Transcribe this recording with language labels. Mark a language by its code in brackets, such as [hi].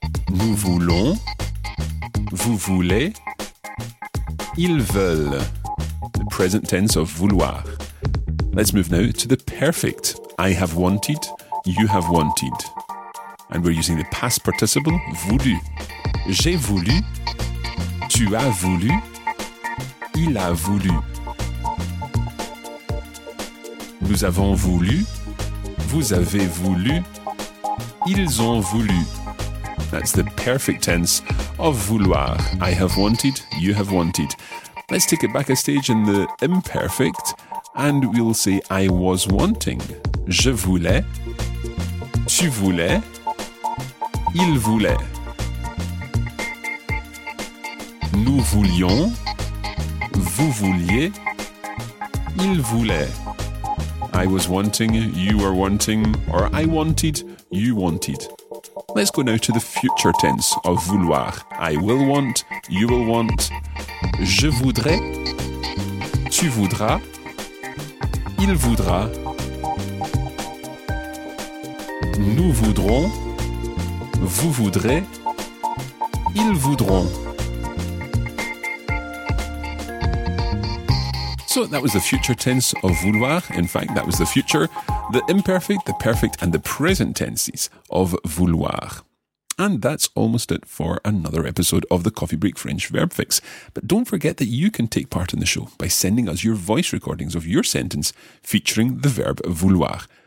[fr] Nous voulons, vous voulez, ils veulent. [en] The present tense of vouloir. Let's move now to the perfect. I have wanted, you have wanted. And we're using the past participle, voulu. [fr] J'ai voulu, tu as voulu, il a voulu. Nous avons voulu, vous avez voulu, ils ont voulu. [en] That's the perfect tense of vouloir. I have wanted, you have wanted. Let's take it back a stage in the imperfect and we'll say I was wanting. [fr] Je voulais, tu voulais, il voulait. Nous voulions, vous vouliez, il voulait. [en] I was wanting, you were wanting, or I wanted, you wanted. Let's go now to the future tense of vouloir. I will want, you will want. [fr] Je voudrais, tu voudras, il voudra. Nous voudrons, vous voudrez, ils voudront. [en] So that was the future tense of vouloir. In fact, that was the future, the imperfect, the perfect, and the present tenses of vouloir. And that's almost it for another episode of the Coffee Break French Verb Fix. But don't forget that you can take part in the show by sending us your voice recordings of your sentence featuring the verb vouloir.